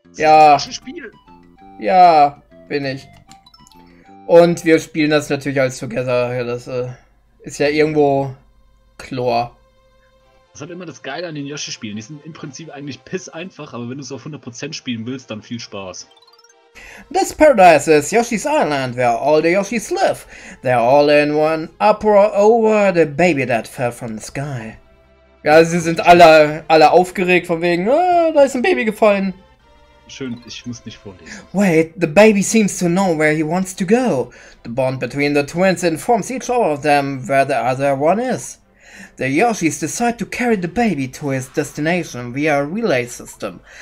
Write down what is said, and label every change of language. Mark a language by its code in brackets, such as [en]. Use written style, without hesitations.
[de] Ja. Ja, bin ich. Und wir spielen das natürlich als Together. Das ist ja irgendwo Chlor. Das hat immer das Geile an den Yoshi-Spielen. Die sind im Prinzip eigentlich piss einfach, aber wenn du es auf 100% spielen willst, dann viel Spaß. [en] This paradise is Yoshi's Island, where all the Yoshis live. They're all in one uproar over the baby that fell from the sky. [de] Ja, sie sind alle aufgeregt von wegen, da ist ein Baby gefallen. Schön, ich muss nicht vorlesen. [en] Wait, the baby seems to know where he wants to go. The bond between the twins informs each of them where the other one is. The Yoshis decide to carry the baby to his destination via a relay system.